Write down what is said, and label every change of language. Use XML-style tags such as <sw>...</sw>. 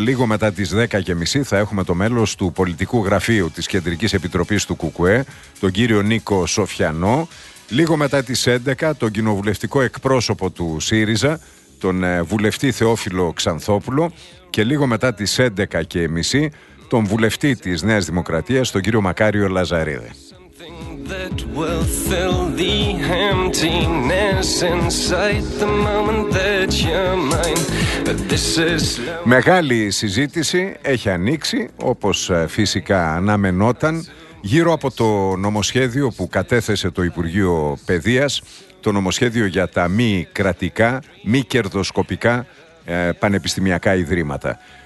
<el>Λίγο μετά τις 10.30 θα έχουμε το μέλος του Πολιτικού Γραφείου της Κεντρικής Επιτροπής του ΚΚΕ, τον κύριο Νίκο Σοφιανό. Λίγο μετά τις 11 τον κοινοβουλευτικό εκπρόσωπο του ΣΥΡΙΖΑ, τον βουλευτή Θεόφιλο Ξανθόπουλο. Και λίγο μετά τις 11.30 τον βουλευτή της Νέας Δημοκρατίας, τον κύριο Μακάριο Λαζαρίδη.</el> <en>That will fill the emptiness inside the moment that you're mine. This is...</en> <el>Μεγάλη συζήτηση έχει ανοίξει, όπως φυσικά αναμενόταν, γύρω από το νομοσχέδιο που κατέθεσε το Υπουργείο Παιδείας, το νομοσχέδιο για τα μη κρατικά, μη κερδοσκοπικά πανεπιστημιακά ιδρύματα.</el>